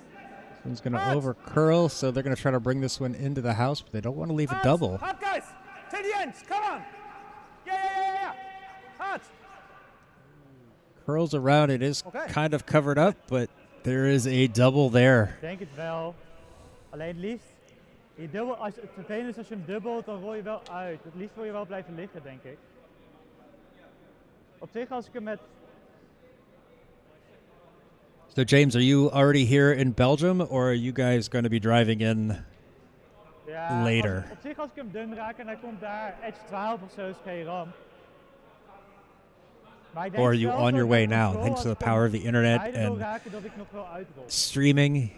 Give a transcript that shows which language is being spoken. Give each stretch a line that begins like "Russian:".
English: This one's going to over curl, so they're going to try to bring this one into the house, but they don't want to leave hard. A double. Hard, guys. To the end. Come on. Yeah. Hard. Curls around. It is okay. Kind of covered up, but there is a double there.
Dutch: Denk het wel. Alleen het liefst. Je dubbel, als het vervelend is als je hem dubbelt, dan rol je wel uit. Het liefst wil je wel blijven liggen, denk ik. Op zich als ik hem met...
English: So James, are you already here in Belgium, or are you guys going to be driving in later?
Dutch: Op zich als ik hem dun raak en hij komt daar edge 12 of zo, is geen ramp.
English: Or are you on your way now, thanks to the power of the internet and streaming?